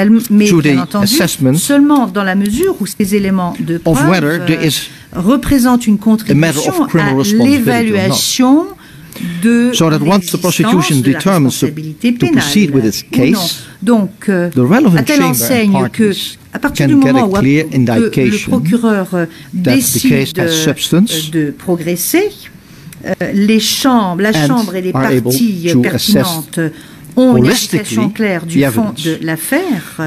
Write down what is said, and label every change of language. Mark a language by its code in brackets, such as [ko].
[fr] mais bien entendu, seulement dans la mesure où ces éléments de preuve représentent une contribution à l'évaluation. [en] So that once the prosecution determines to proceed with its case, [fr] donc, [en] the relevant chamber and parties [fr] à partir du moment où le procureur décide de progresser, la chambre et les parties pertinentes ont une indication claire du fond de l'affaire